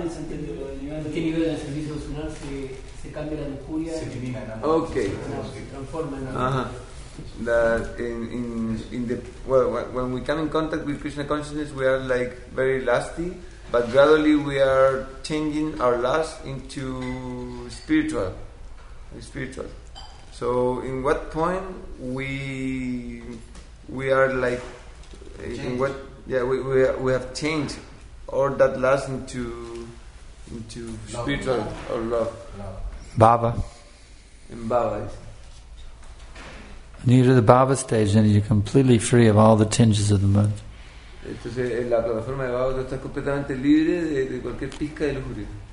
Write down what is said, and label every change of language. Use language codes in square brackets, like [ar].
[es] ¿En qué nivel del servicio personal se cambia la lujuria? Se elimina la lujuria. Okay. Se transforma en la lujuria. [en] When we come in contact with Krishna consciousness, we are like very lusty, but gradually we are changing our lust into spiritual. So in what point we have changed all that lust into love, spiritual or love. Bhava. In Bhava. When you get to the Bhava stage, then you're completely free of all the tinges of the mind. [es] Entonces, en la plataforma de Bhava, tú estás completamente libre de cualquier pizca de lujuria.